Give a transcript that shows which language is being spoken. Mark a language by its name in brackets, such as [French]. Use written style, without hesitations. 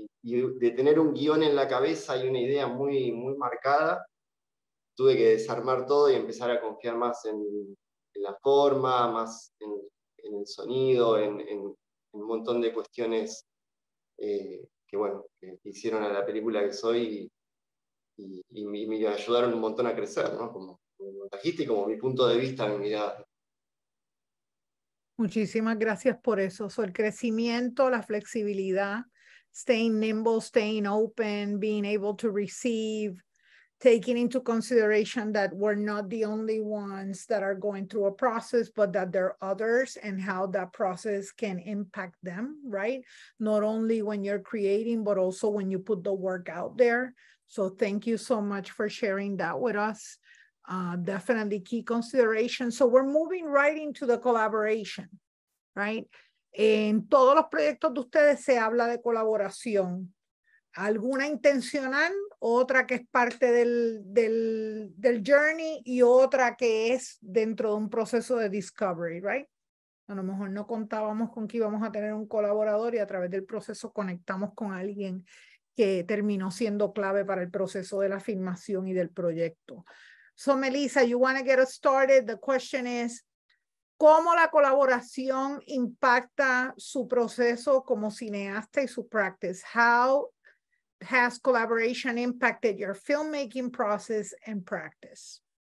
[Spanish] Y de tener un guión en la cabeza y una idea muy, muy marcada, tuve que desarmar todo y empezar a confiar más en la forma, más en el sonido, en un montón de cuestiones que, bueno, hicieron a la película que soy y me ayudaron un montón a crecer, ¿no? Como montajista y como mi punto de vista, mi mirada. Muchísimas gracias por eso. [English] So, [Spanish] el crecimiento, la flexibilidad, [English] staying nimble, staying open, being able to receive, taking into consideration that we're not the only ones that are going through a process, but that there are others and how that process can impact them, right? Not only when you're creating, but also when you put the work out there. So thank you so much for sharing that with us. Definitely key consideration. So we're moving right into the collaboration, right? [Spanish] En todos los proyectos de ustedes se habla de colaboración. ¿Alguna intencional, otra que es parte del journey y otra que es dentro de un proceso de discovery, right? A lo mejor no contábamos con que íbamos a tener un colaborador y a través del proceso conectamos con alguien que terminó siendo clave para el proceso de la filmación y del proyecto. [English] So, Melissa, you want to get us started. The question is, [Spanish] ¿cómo la colaboración impacta su proceso como cineasta y su practice? [English] How has collaboration impacted your filmmaking process and practice?